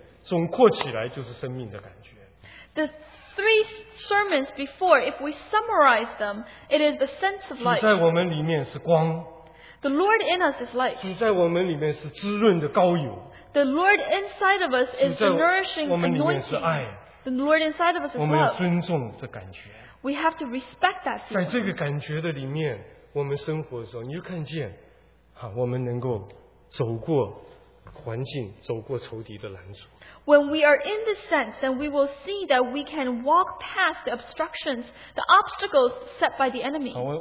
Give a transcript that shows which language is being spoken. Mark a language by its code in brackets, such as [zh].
[zh] 我们已经讲过前面三篇的信息，总括起来就是生命的感觉。 [en] The three sermons before, if we summarize them, it is the sense of life. [zh] 主在我们里面是光, [en] the Lord in us is light. [zh] 主在我们里面是滋润的膏油, [en] the Lord inside of us is the nourishing anointing. The Lord inside of us is love. [zh] 我们尊重这感觉, [en] we have to respect that feeling. [zh] 在这个感觉的里面, 我们生活的时候, 你就看见, 啊, 我们能够走过, 环境, 走过仇敌的拦阻。 [en] When we are in this sense, then we will see that we can walk past the obstructions, the obstacles set by the enemy.